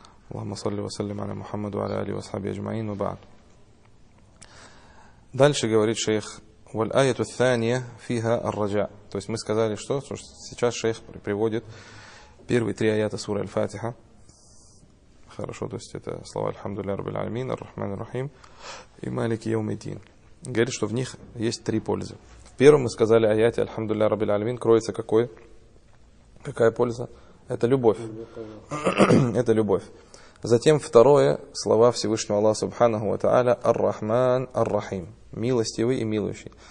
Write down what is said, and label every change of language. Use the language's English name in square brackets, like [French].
[Arabic] اللهم صل وسلم على محمد وعلى اله واصحابه اجمعين. وبعد، [Russian] дальше говорит [Arabic] شيخ والآية الثانية فيها الرجاء. [Russian] То есть мы сказали, что сейчас шейх приводит первые три аята суры аль-Фатиха. Хорошо, то есть это слова [Arabic] الحمد لله رب العالمين الرحمن الرحيم [Russian] и [Arabic] مالك يوم الدين. [Russian] Говорит, что в них есть три пользы. В первом мы сказали аяте «Альхамду ля Рабиль Альмин» кроется какой? Какая польза? Это любовь. Это любовь. Затем второе, слова Всевышнего Аллаха Субханаху Ва Та'аля «Ар-Рахман Ар-Рахим» – «Милостивый и милующий».